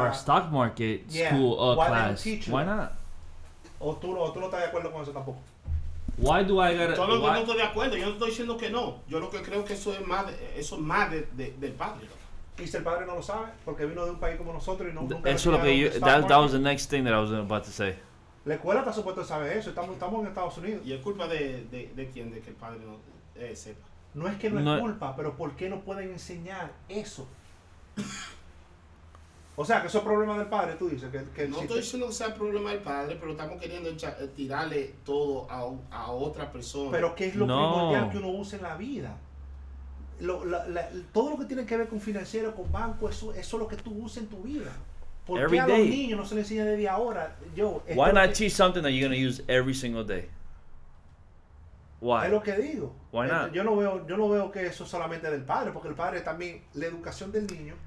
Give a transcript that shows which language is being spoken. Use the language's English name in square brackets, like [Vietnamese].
[English] Or a stock market school class. Why not? [Spanish] ¿O tú no estás de acuerdo con eso tampoco? [English] Why do I gotta? [Spanish] Todo lo que no estoy de acuerdo. Yo no estoy diciendo que no. Yo lo que creo que eso es más del padre. Y si el padre no lo sabe, porque vino de un país como nosotros y no, nunca. Eso es lo que yo. [English] That was the next thing that I was about to say. [Spanish] La escuela está supuesto saber eso. Estamos en Estados Unidos. ¿Y es culpa de quién? De que el padre no sepa. No es que no es culpa, pero ¿por qué no pueden enseñar eso? O sea, que eso es problema del padre, tú dices. Que no estoy diciendo que sea problema del padre, pero estamos queriendo tirarle todo a otra persona. Pero ¿qué es lo primordial que uno usa en la vida? Todo lo que tiene que ver con financiero, con banco, eso es lo que tú usas en tu vida. ¿Por [English] every [Spanish] qué [English] day. [Spanish] A los niños no se les enseña desde ahora? [English] Yo, why not teach something that you're going to use every single day? Why? [Spanish] Es lo que digo. [English] Why not? [Spanish] Yo no veo que eso solamente del padre, porque el padre también, la educación del niño.